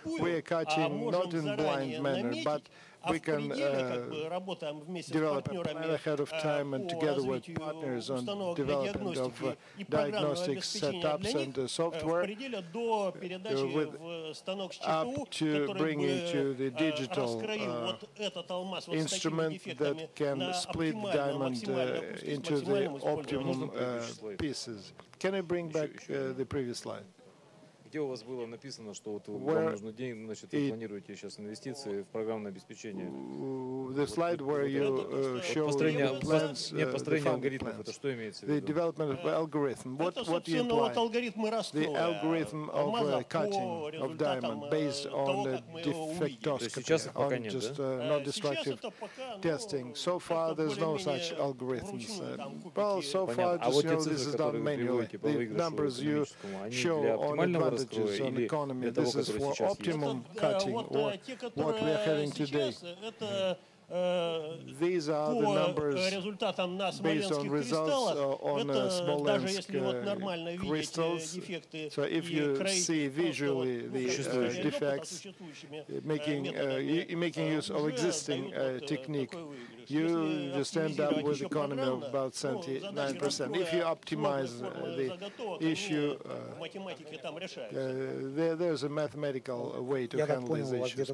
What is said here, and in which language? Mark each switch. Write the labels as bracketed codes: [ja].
[en] We are cutting not in blind manner, but we can develop a plan ahead of time and together with partners on development of diagnostic setups and the software up to bring into the digital instrument that can split diamond into the optimum pieces. Can I bring back the previous slide? [ru] Где у вас было написано, что вот вам нужны деньги, значит, вы планируете сейчас инвестиции в программное обеспечение? [en] The slide where you show plans, [ru] построение алгоритмов, это что имеется в виду? [en] The development of algorithm. What you imply? [ru] Это алгоритмы раскрытия. [en] The algorithm of cutting of diamond based on the defectoscopy, on just non-destructive testing. So far there's no such algorithms. Well, so far just you know this is done manually. The numbers you show on the plan. On economy. This is for optimum cutting, or what we are having today. [ru] по результатам на смоленских кристаллах, это даже если вот нормально видеть дефекты и краи, то существующие дефекты, [en] making use of existing technique, you just end up with economy of about 79%. If you optimize the issue, there's a mathematical way to handle these issues.